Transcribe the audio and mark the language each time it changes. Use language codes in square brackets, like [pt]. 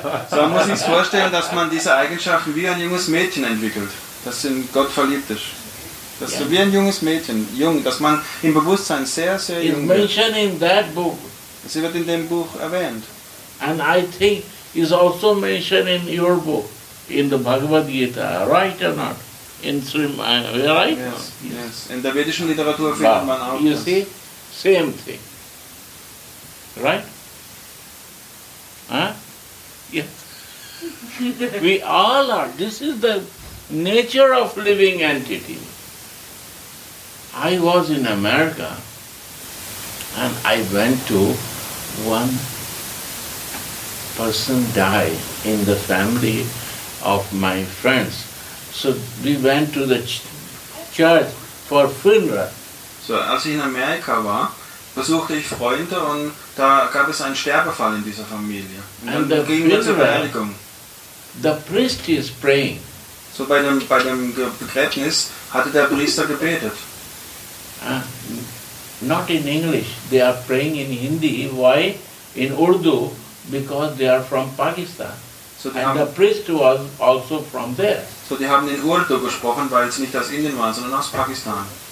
[de] So man muss sich vorstellen, dass man diese Eigenschaften wie ein junges Mädchen entwickelt, das in Gott verliebt ist. Das ist wie ein junges Mädchen, jung, dass man im Bewusstsein sehr, sehr jung [en] ist. Mentioned in that book. [de] Sie wird in dem Buch erwähnt. [en] And I think is also mentioned in your book, in the Bhagavad Gita, right or not? In Srimad, right? [de] Yes. In der vedischen Literatur findet man auch [en] you das. See, same thing. Right? Huh? Yeah. We all are. This is the nature of living entity. I was in America and I went to one person die in the family of my friends. So we went to the church for funeral. [de] So als ich in Amerika war, besuchte ich Freunde und da gab es einen Sterbefall in dieser Familie. Und dann gingen wir zur Beerdigung. [en] The priest is praying. [de] So bei dem Begräbnis hatte der Priester gebetet. [en] Not in English. They are praying in Hindi. Why? In Urdu, because they are from Pakistan. So and the priest was also from there. [de] So die haben in Urdu gesprochen, weil es nicht aus Indien war, sondern aus Pakistan.